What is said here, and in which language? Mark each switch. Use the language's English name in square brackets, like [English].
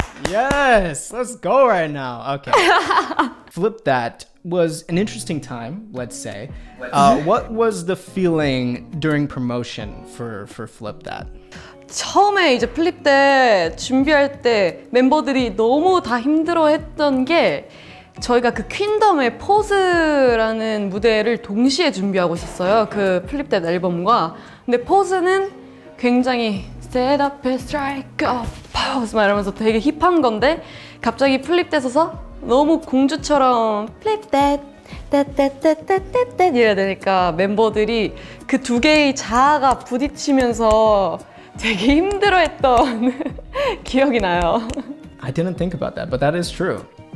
[English] Yes, let's go right now. Okay. Flip That was an interesting time, let's say. What was the feeling during promotion for Flip That? [Korean] 처음에 이제 플립 때 준비할 때 멤버들이 너무 다 힘들어했던 게 저희가 그 퀸덤의 포즈라는 무대를 동시에 준비하고 있었어요. 그 플립 That 앨범과. 근데 포즈는 굉장히 [English] Stand up and strike up. [Korean] 막 이러면서 되게 힙한 건데 갑자기 플립댓에서 너무 공주처럼 플립댓 댓댓댓댓댓댓 이래야 되니까 멤버들이 그 두 개의 자아가 부딪히면서 되게 힘들어했던 기억이 나요. [English] I didn't think about that, but that is true.